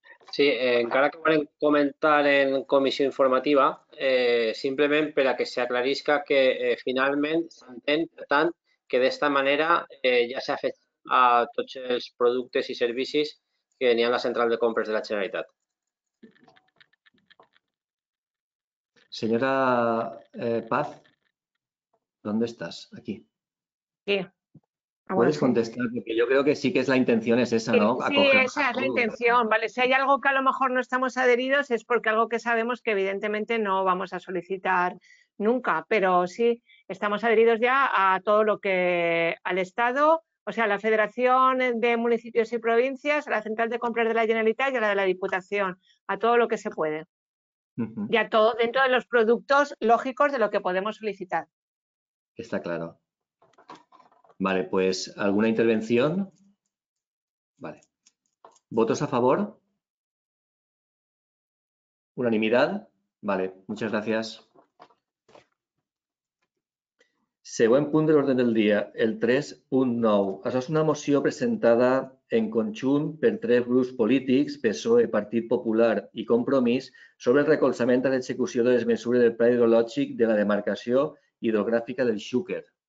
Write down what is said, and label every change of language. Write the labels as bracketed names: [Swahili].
[Catalan] Sí, encara que volem comentar en comissió informativa, simplement per a que s'aclarisca que finalment s'entén, per tant, que d'esta manera ja s'ha fet a tots els productes i servicis que n'hi ha a la central de compres de la Generalitat. [Spanish] Senyora Paz, ¿dónde estás? Aquí. Sí. Puedes contestar, porque yo creo que sí que es la intención es esa, ¿no? Sí, esa es la intención, ¿vale? Si hay algo que a lo mejor no estamos adheridos es porque algo que sabemos que evidentemente no vamos a solicitar nunca, pero sí, estamos adheridos ya a todo lo que al Estado, o sea, a la Federación de Municipios y Provincias, a la Central de Compras de la Generalitat y a la de la Diputación, a todo lo que se puede. Uh-huh. Y a todo dentro de los productos lógicos de lo que podemos solicitar. Está claro. Vale, pues, ¿alguna intervención? Vale. ¿Votos a favor? ¿Unanimidad? Vale, muchas gracias. [Catalan] Següent punt de l'ordre del dia, el 3.9. Això és una moció presentada en conjunt per tres grups polítics, PSOE, Partit Popular i Compromís, sobre el recolzament a l'execució de les mesures del Pla Hidrològic de la Demarcació Hidrogràfica del Xúquer.